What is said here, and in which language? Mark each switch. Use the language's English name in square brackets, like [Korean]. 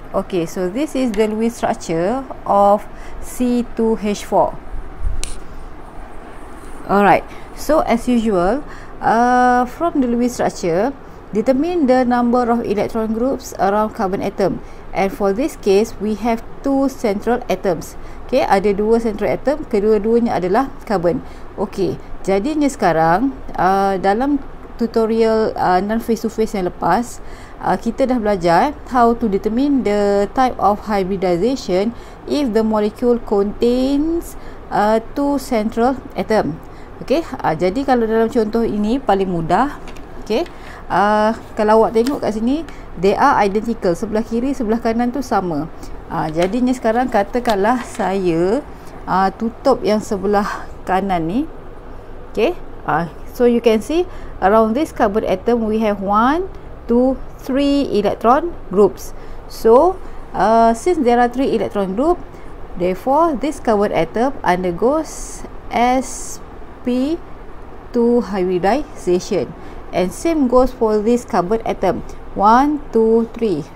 [English] Okay, so this is the Lewis structure of C2H4. Alright. So as usual. From the Lewis structure, determine the number of electron groups around carbon atom. And for this case, we have two central atoms. [Malay] Okay, ada dua central atom, kedua-duanya adalah carbon. [English] Okay, [Malay] jadinya sekarang dalam tutorial non-face-to-face yang lepas, kita dah belajar [English] how to determine the type of hybridization if the molecule contains two central atom. [Malay] Okay, jadi kalau dalam contoh ini paling mudah. Okay, kalau awak tengok kat sini, [English] they are identical. [Malay] Sebelah kiri, sebelah kanan tu sama. Jadinya sekarang katakanlah saya tutup yang sebelah kanan ni. [English] Okay, so you can see around this carbon atom we have 1, 2, 3 electron groups. So since there are 3 electron group, therefore this carbon atom undergoes sp2 hybridization, and same goes for this carbon atom 1, 2, 3.